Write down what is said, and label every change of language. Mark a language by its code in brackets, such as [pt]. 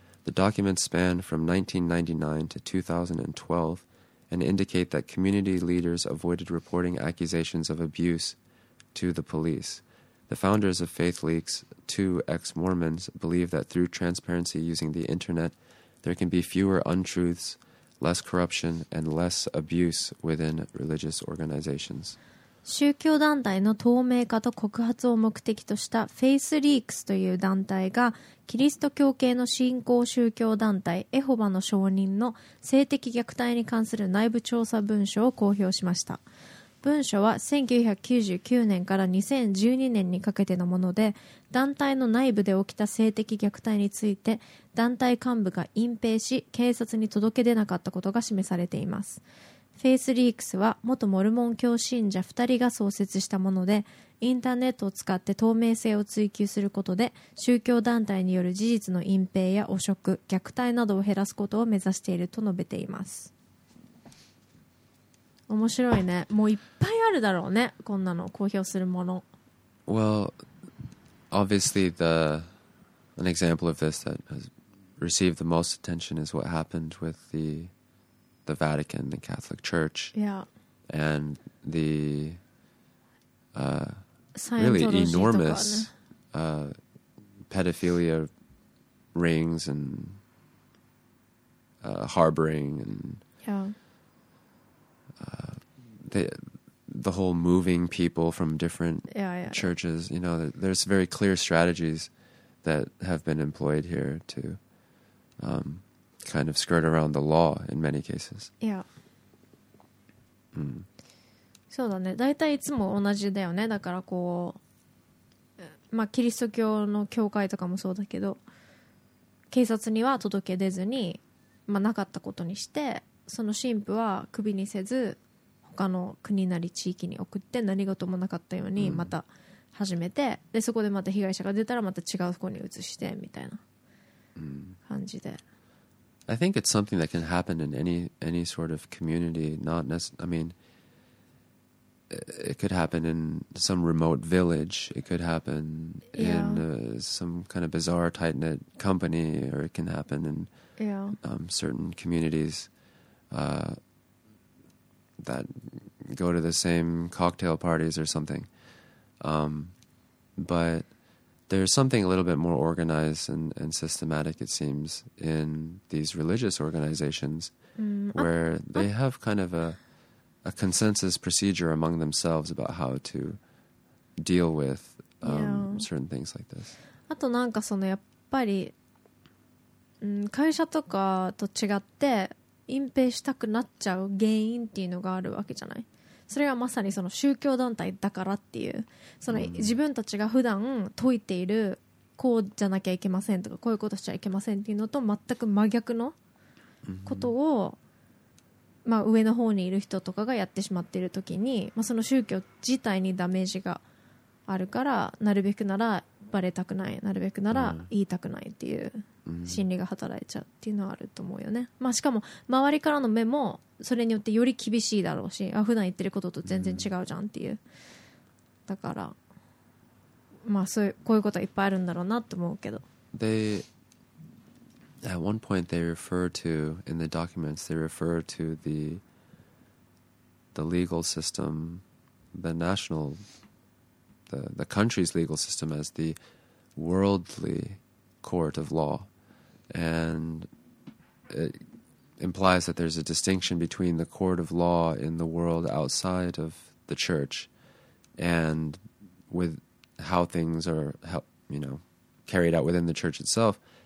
[en] The documents span from 1999 to 2012 and indicate that community leaders avoided reporting accusations of abuse to the police. The founders of Faith Leaks, two ex-Mormons, believe that through transparency using the internet, there can be fewer untruths, less corruption, and less abuse within religious organizations. [ja] 宗教団体の透明化と告発を目的としたフェイスリークスという団体が、キリスト教系の新興宗教団体エホバの証人の性的虐待に関する内部調査文書を公表しました。文書は1999年から2012年にかけてのもので、団体の内部で起きた性的虐待について、団体幹部が隠蔽し、警察に届け出なかったことが示されています。フェイスリークスは元モルモン教信者2人が創設したもので、インターネットを使って透明性を追求することで、宗教団体による事実の隠蔽や汚職、虐待などを減らすことを目指していると述べています。面白いね。もういっぱいあるだろうね。こんなの公表するもの。 [en] Well, obviously an example of this that has received the most attention is what happened with the Vatican, the Catholic Church. Yeah. And the really enormous pedophilia rings and harboring and yeah. The whole moving people from different churches, you know, there's very clear strategies that have been employed here to kind of skirt around the law in many cases. Yeah. [ja] そうだね。大体いつも同じだよね。だからこう、まあキリスト教の教会とかもそうだけど、警察には届け出ずに、まあなかったことにして、その神父は首にせず。他の国なり地域に送って何事もなかったようにまた始めて、でそこでまた被害者が出たらまた違うところに移してみたいな感じで。 [en] I think it's something that can happen in any sort of community. It could happen in some remote village. It could happen in some kind of bizarre tight-knit company, or it can happen in certain communities. That go to the same cocktail parties or something. But there's something a little bit more organized and systematic, it seems, in these religious organizations where they have kind of a consensus procedure among themselves about how to deal with certain things like this. [ja] あとなんかそのやっぱり、会社とかと違って隠蔽したくなっちゃう原因っていうのがあるわけじゃない。それはまさにその宗教団体だからっていうその自分たちが普段説いているこうじゃなきゃいけませんとかこういうことしちゃいけませんっていうのと全く真逆のことをまあ上の方にいる人とかがやってしまっているときにまあその宗教自体にダメージがあるからなるべくならバレたくないなるべくなら言いたくないっていう心理が働いちゃうっていうのはあると思うよね。まあしかも周りからの目もそれによってより厳しいだろうしあ普段言ってることと全然違うじゃんっていうだからまあそういうこういうことはいっぱいあるんだろうなと思うけど [en] They at one point they refer to in the documents they refer to the legal system the national the country's legal system as the worldly court of law and it implies that there's a distinction between the court of law in the world outside of the church and with how things are, you know, carried out within the church itself.